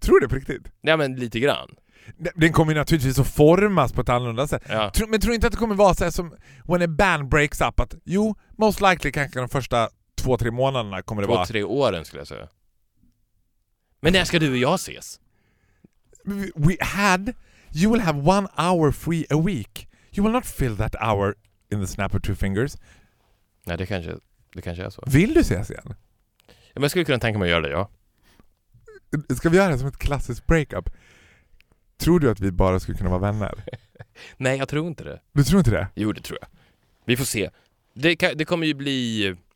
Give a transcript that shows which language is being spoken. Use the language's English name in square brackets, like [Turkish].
[Swedish] Tror du det på riktigt? Nej, men lite grann. Den kommer ju naturligtvis att formas på ett annorlunda sätt. Ja. Men tror du inte att det kommer vara så här som [English] when a band breaks up? [Swedish] Att, jo, [English] most likely [Swedish] kanske de första 2-3 månaderna kommer det vara. 2-3 åren skulle jag säga. Men när ska du och jag ses? [English] You will have 1 hour free a week. You will not fill that hour in the snap of 2 fingers. [Swedish] Nej, det kanske är så. Vill du ses igen? Ja, men jag skulle kunna tänka mig att göra det, ja. Ska vi göra det som ett klassiskt breakup? Tror du att vi bara skulle kunna vara vänner? Nej, jag tror inte det. Du tror inte det? Jo, det tror jag. Vi får se. Det kommer ju bli...